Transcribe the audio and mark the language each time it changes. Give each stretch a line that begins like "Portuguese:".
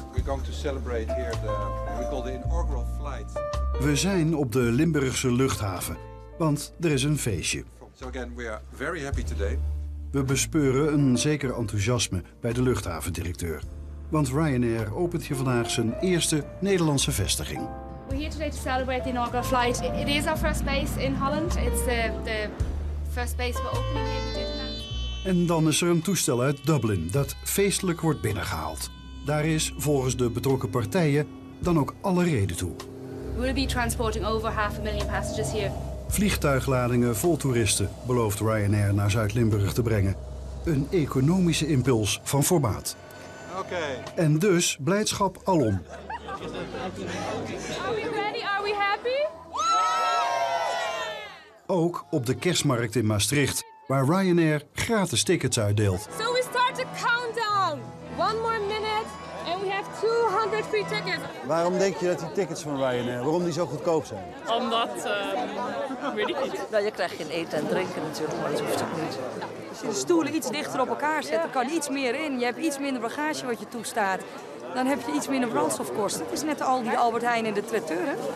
English: We're going to celebrate here the inaugural flight.
Dutch: We zijn op de Limburgse luchthaven, want er is een feestje.
English: So again, we are very happy today.
Dutch: We bespeuren een zeker enthousiasme bij de luchthavendirecteur. Want Ryanair opent hier vandaag zijn eerste Nederlandse vestiging.
English: We're here today to celebrate the inaugural flight. It is our first base in Holland. It's the first base we're opening here in Nederland.
Dutch: En dan is er een toestel uit Dublin dat feestelijk wordt binnengehaald. Daar is volgens de betrokken partijen dan ook alle reden toe.
English: We'll be transporting over 500,000 passengers here.
Dutch: Vliegtuigladingen vol toeristen belooft Ryanair naar Zuid-Limburg te brengen. Een economische impuls van formaat.
English: Okay.
Dutch: En dus blijdschap alom.
English: Are we ready? Are we happy?
Dutch: Ook op de kerstmarkt in Maastricht, waar Ryanair gratis tickets uitdeelt.
English: So we start the countdown. One more minute and we have 200 free tickets.
Dutch: Waarom denk je dat die tickets van Ryanair, waarom die zo goedkoop zijn? Omdat... Nou, je krijgt geen eten en drinken natuurlijk, maar dat hoeft ook niet. Als je de stoelen iets dichter op elkaar zet, er kan iets meer in. Je hebt iets minder bagage wat je toestaat. Dan heb je iets minder brandstofkosten. Het is net al die Albert Heijn en de traiteuren.